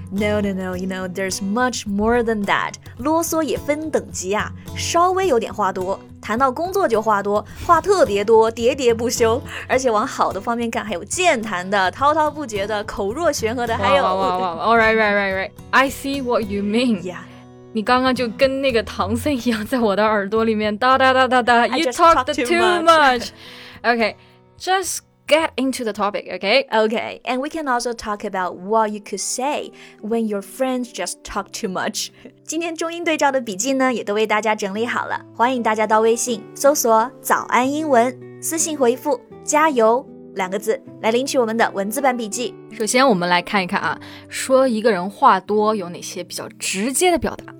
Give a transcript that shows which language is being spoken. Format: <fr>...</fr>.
<en>No, you know, there's much more than that.</en> <zh>啰嗦也分等级啊，稍微有点话多，谈到工作就话多，话特别多，喋喋不休，而且往好的方面看，还有健谈的，滔滔不绝的，口若悬河的，还有。</zh> <en>All right. I see what you mean. Yeah.</en> <zh>你刚刚就跟那个唐僧一样在我的耳朵里面哒哒哒哒哒</zh> <en>You talked too much. Okay, just get into the topic, okay? Okay, and we can also talk about what you could say when your friends just talk too much.</en> <zh>今天中英对照的笔记呢也都为大家整理好了，欢迎大家到微信搜索早安英文，私信回复加油两个字来领取我们的文字版笔记。首先我们来看一看啊，说一个人话多有哪些比较直接的表达。</zh>